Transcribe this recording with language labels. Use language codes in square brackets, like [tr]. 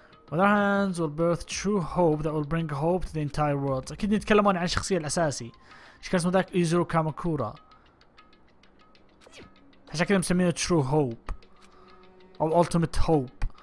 [en] With our hands will birth true hope that will bring hope to the entire world. [ar] أكيد نتكلمون عن الشخصية الأساسية. إيش كان اسمه ذاك؟ إيزرو كاماكورا. عشان كذا مسمينه [en] true hope [ar] أو [en] ultimate hope.